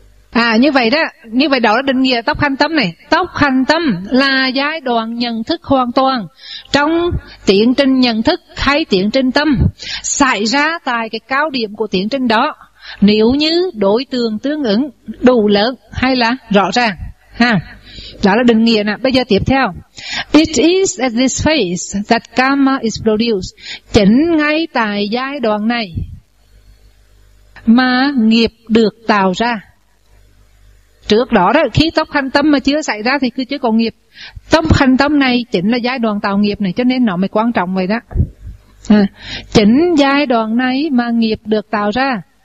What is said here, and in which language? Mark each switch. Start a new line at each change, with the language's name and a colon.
Vietnamese: À, như vậy đó, như vậy đó là định nghĩa tốc hành tâm này. Tốc hành tâm là giai đoạn nhận thức hoàn toàn trong tiến trình nhận thức hay tiến trình tâm, xảy ra tại cái cao điểm của tiến trình đó, nếu như đối tượng tương ứng đủ lớn hay là rõ ràng, ha. Đó là định nghĩa nè. Bây giờ tiếp theo.
English: It is at this phase that karma is produced.
Vietnamese: Chính ngay tại giai đoạn này mà nghiệp được tạo ra. Trước đó đó, khi tốc hành tâm mà chưa xảy ra thì cứ chưa có nghiệp. Tốc hành tâm này chính là giai đoạn tạo nghiệp này, cho nên nó mới quan trọng vậy đó. À, chính giai đoạn này mà nghiệp được tạo ra.